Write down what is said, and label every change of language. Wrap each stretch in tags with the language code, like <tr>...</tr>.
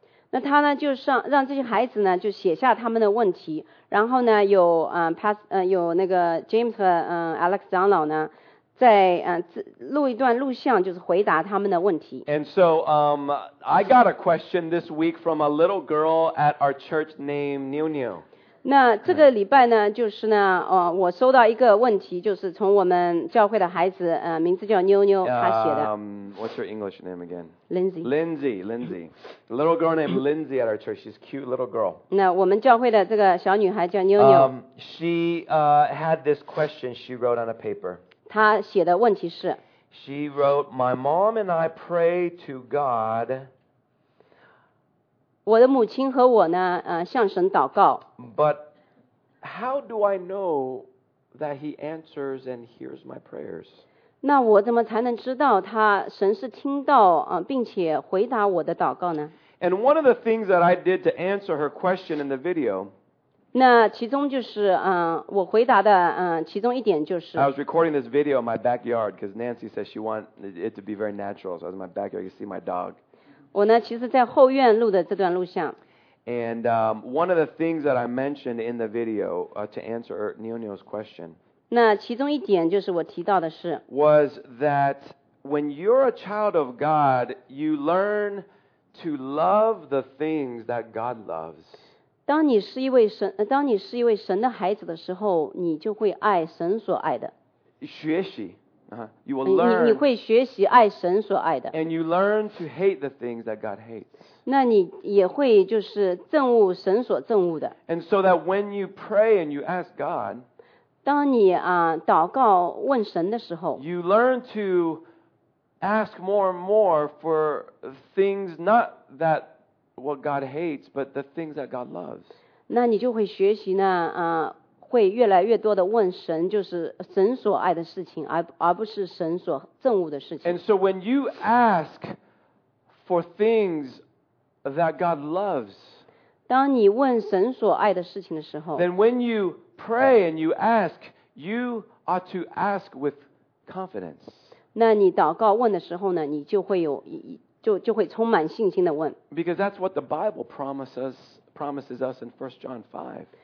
<zh>那他呢就让这些孩子呢就写下他们的问题，然后呢有有那个 James 和Alex 长老呢。在录一段录像，就是回答他们的问题。</zh> <en>And so, I got a question this week from a little girl at our church named Niu Niu.</en> <zh>那这个礼拜呢，就是呢，我收到一个问题，就是从我们教会的孩子，名字叫妞妞，她写的。</zh> <en>What's your English name again? Lindsay. Lindsay. A little girl named Lindsay at our church. She's a cute little girl.</en> <zh>那我们教会的这个小女孩叫妞妞。</zh> <en>She had this question she wrote on a paper.</en> <zh>他写的问题是</zh> <en>She wrote, My mom and I pray to God.</en> <zh>我的母亲和我呢，向神祷告。</zh> <en>But how do I know that he answers and hears my prayers?</en> <zh>那我怎么才能知道他神是听到并且回答我的祷告呢？</zh> <en>And one of the things that I did to answer her question in the video.</en> <zh>那其中就是我回答的其中一点就是</zh> <en>I was recording this video in my backyard because Nancy says she wants it to be very natural. So I was in my backyard, you can see my dog.</en> <zh>我呢其实在后院录的这段录像。</zh> <en>And one of the things that I mentioned in the video to answer Niu Niu's question</en> <zh>那其中一点就是我提到的是</zh> <en>was that when you're a child of God, you learn to love the things that God loves.</en> <zh>当你是一位神的孩子的时候，你就会爱神所爱的。学习，</zh> <en>You will learn.</en> <zh>你会学习爱神所爱的。</zh> <en>And you learn to hate the things that God hates.</en> <zh>那你也会就是憎恶神所憎恶的。</zh> <en>And so that when you pray and you ask God,</en> <zh>当你祷告问神的时候,</zh> <en>you learn to ask more and more for things not that what God hates, but the things that God loves.</en> <zh>那你就会学习呢, 会越来越多地问神就是神所爱的事情, 而不是神所憎恶的事情。</zh> <en>And so when you ask for things that God loves,</en> <zh>当你问神所爱的事情的时候,</zh> <en>then when you pray and you ask, you ought to ask with confidence.</en> <zh>那你祷告问的时候呢, 你就会充满信心地问。</zh> <en>Because that's what the Bible promises us in 1 John 5.</en>